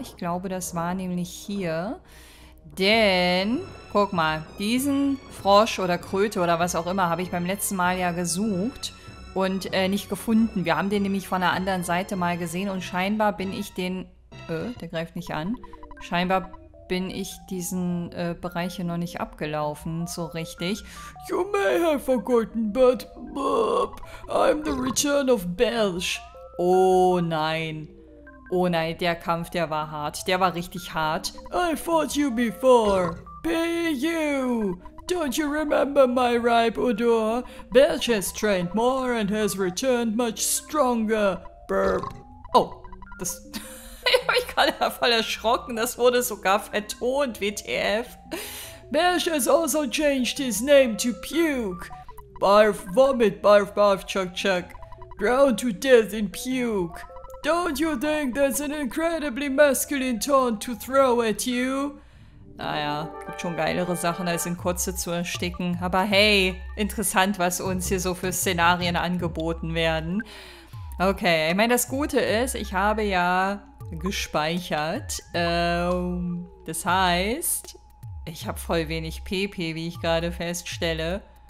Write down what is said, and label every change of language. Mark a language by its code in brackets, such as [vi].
[de] Ich glaube, das war nämlich hier. Denn, guck mal, diesen Frosch oder Kröte oder was auch immer habe ich beim letzten Mal ja gesucht und nicht gefunden. Wir haben den nämlich von der anderen Seite mal gesehen und scheinbar bin ich den... der greift nicht an. Scheinbar bin ich diesen Bereich hier noch nicht abgelaufen, so richtig. [en] You may have forgotten, but Bob, I'm the return of Belsch. [de] Oh nein. Oh nein, der Kampf, der war hart. Der war richtig hart. [en] I fought you before. Pay you. Don't you remember my ripe odor? Belsch has trained more and has returned much stronger. Burp. [de] Oh, das... Ich habe mich gerade voll erschrocken. Das wurde sogar vertont, WTF. [en] Belsch has also changed his name to Puke. Barf, vomit, barf, barf, chuck, chuck. Drown to death in puke. Don't you think that's an incredibly masculine taunt to throw at you? [de] Naja, gibt schon geilere Sachen, als in Kotze zu ersticken. Aber hey, interessant, was uns hier so für Szenarien angeboten werden. Okay, ich meine, das Gute ist, ich habe ja gespeichert. Das heißt, ich habe voll wenig PP, wie ich gerade feststelle.